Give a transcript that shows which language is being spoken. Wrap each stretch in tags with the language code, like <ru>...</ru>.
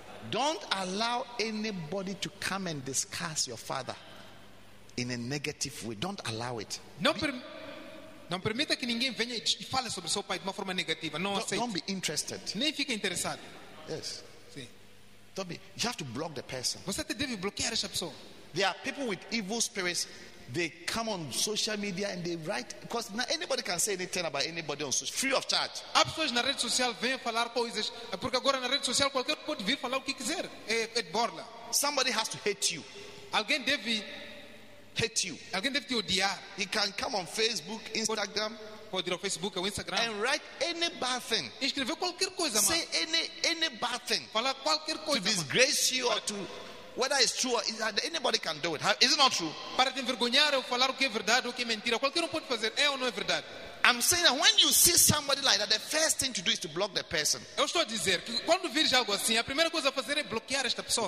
<en>Don't allow anybody to come and discuss your father in a negative way. Don't allow it.</en> <pt>Não permita que ninguém venha e fale sobre seu pai de uma forma negativa. Não aceite.</pt> <en>Don't be interested.</en> <pt>Nem fique interessado.</pt> <en>Yes.</en> <pt>Sim.</pt> <en>Don't be. You have to block the person.</en> <pt>Você deve bloquear essa pessoa.</pt> <en>There are people with evil spirits. They come on social media and they write, because now anybody can say anything about anybody on social, free of charge.</en> <pt>Há pessoas na rede social vêm falar coisas, porque agora na rede social qualquer pode vir falar o que quiser. É borla.</pt> <en>Somebody has to hate you.</en> <pt>Alguém deve</pt> <en>hate you.</en> <pt>Alguém deve te odiar.</pt> <en>He can come on Facebook, Instagram.</en> <pt>Pode ir ao Facebook ou Instagram.</pt> <en>And write any bad thing.</en> <pt>Escrever qualquer coisa, mano.</pt> <en>Say any bad thing.</en> <pt>Falar qualquer coisa.</pt> <en>To disgrace you or to. Whether it's true or is, anybody can do it. Is it not true?</en> <pt>Para te envergonhar ou falar o que é verdade ou o que é mentira, qualquer pode fazer, é ou não é verdade?</pt> <en>I'm saying that when you see somebody like that, the first thing to do is to block the person.</en> <pt>Eu estou a dizer que quando vires algo assim, a primeira coisa a fazer é bloquear esta pessoa.</pt>